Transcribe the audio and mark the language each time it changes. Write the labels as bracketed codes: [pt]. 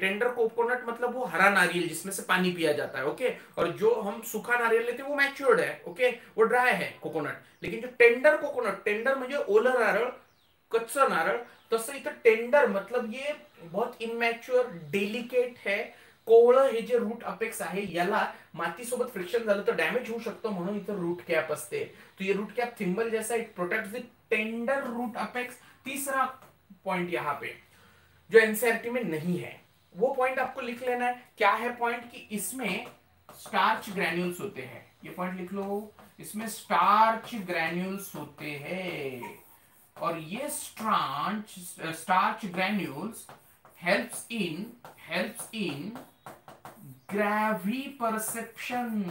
[hi] Tender coconut मतलब वो हरा नारियल जिसमें से पानी पिया जाता है, ओके, और जो हम सूखा नारियल लेते हैं वो मैच्योर्ड है, ओके, वो ड्राई है कोकोनट। लेकिन जो टेंडर कोकोनट, टेंडर मुझे ओलर नारियल, कच्चा नारियल, तो सही तो टेंडर मतलब ये बहुत इनमैच्योर डेलिकेट है। [mr] कोवळं हे जे रूट अपेक्स आहे याला मातीसोबत फ्रिक्शन झालं तर डॅमेज होऊ शकतो, म्हणून इथं रूट कॅप असते। [hi] तो ये रूट कॅप थिंबल जैसा, [en] It protect the tender root apex. [hi] तीसरा पॉइंट यहाँ पे जो एनसीईआरटी में नहीं है वो पॉइंट आपको लिख लेना है। क्या है पॉइंट? कि इसमें स्टार्च ग्रैन्यूल्स होते हैं। ये पॉइंट लिख लो, इसमें स्टार्च ग्रैन्यूल्स होते हैं, और ये starch granules [en] Helps in gravy perception.